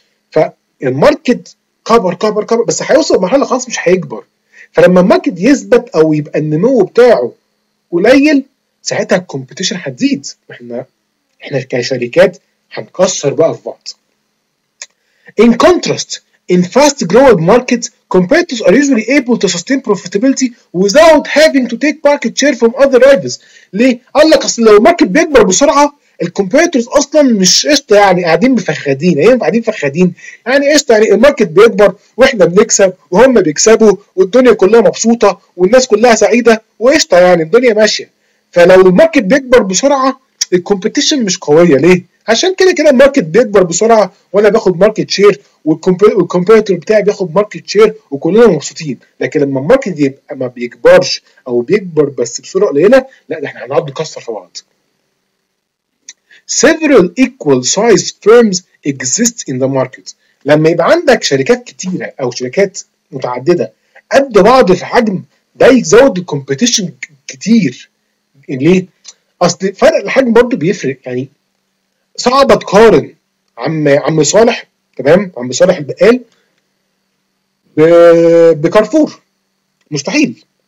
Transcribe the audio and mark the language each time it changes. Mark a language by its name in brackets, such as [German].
[Arabic] فالماركت كبر كبر كبر، بس هيوصل مرحله خلاص مش هيكبر. فلما الماركت يثبت او يبقى النمو بتاعه قليل ساعتها الكومبيتيشن هتزيد، احنا كشركات هنكسر بقى في بعض. [English] In contrast in fast growing markets compared to are usually able to sustain profitability without having to take market share from other rivals. [Arabic] ليه؟ قال لك اصل لو الماركت بيكبر بسرعة الكومبيتورز اصلا مش قشطه يعني قاعدين مفخدين يعني قاعدين مفخدين يعني قشطه يعني الماركت بيكبر واحنا بنكسب وهم بيكسبوا والدنيا كلها مبسوطه والناس كلها سعيده وقشطه يعني الدنيا ماشيه. فلو الماركت بيكبر بسرعه الكومبيتيشن مش قويه. ليه؟ عشان كده كده الماركت بيكبر بسرعه وانا باخد ماركت شير والكومبيتور بتاعي بياخد ماركت شير وكلنا مبسوطين. لكن لما الماركت يبقى ما بيكبرش او بيكبر بس بسرعه قليله لا احنا هنقعد نكسر في بعض. [English] Several equal size firms exist in the market. [Arabic] لما يبقى عندك شركات كتيرة أو شركات متعددة قد بعض في حجم ده يزود الكومبيتيشن كتير. ليه؟ أصل فرق الحجم برضو بيفرق. يعني صعب تقارن عم صالح تمام عم صالح البقال بكارفور. مستحيل.